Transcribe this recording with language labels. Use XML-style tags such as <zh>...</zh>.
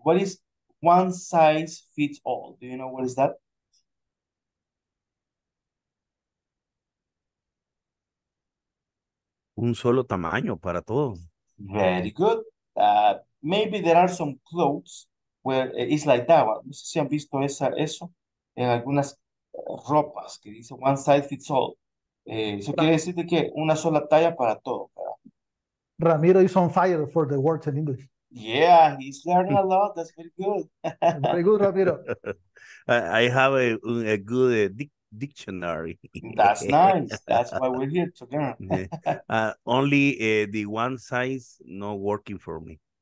<en>What is one size fits all? Do you know what is that?</en> <es>Un solo tamaño para todo.</es> <en>Very good. Maybe there are some clothes where it's like that one.</en> <es>No sé si han visto esa, eso en algunas ropas que dice</es> <en>one size fits all.</en> <es>Eso quiere decir de que una sola talla para todo, ¿verdad?</es> <en>Ramiro is on fire for the words in English. Yeah, he's learning a lot. That's very good. Very good, Ramiro. I have a good dictionary. That's nice. That's why we're here to learn. Only the one size not working for me.</en>